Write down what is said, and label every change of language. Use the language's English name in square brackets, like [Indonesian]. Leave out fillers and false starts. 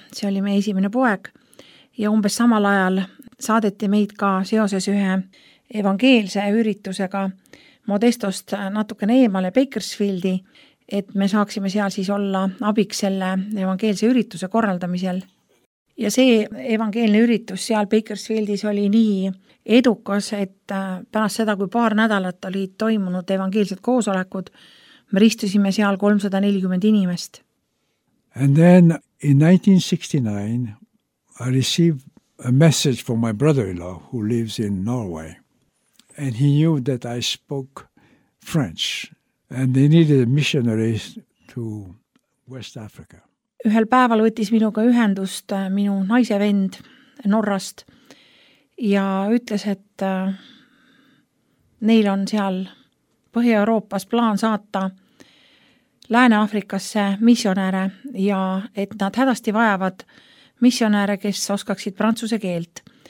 [Estonian] See oli meie esimene poeg ja umbes samal ajal saadeti meid ka seoses ühe evangeelse üritusega Modestost natukene eemale Bakersfieldi, et me saaksime seal siis olla abiks selle evangeelse ürituse korraldamisel. Ja see evangeelne üritus seal Bakersfieldis oli nii edukas, et pärast seda, kui paar nädalat olid toimunud evangeelsed koosolekud, me ristusime seal 340 inimest. [English] And then in 1969 I received a message from my brother-in-law who lives in Norway. And he knew that I spoke French and they needed a missionary to West Africa. [Estonian] Ühel päeval võttis minuga ühendust minu naise vend Norrast ja ütles, et neil on seal Põhja-Euroopas plaan saata Lääne-Afrikasse missionääre ja et nad hädasti vajavad missionääre, kes oskaksid prantsuse keelt.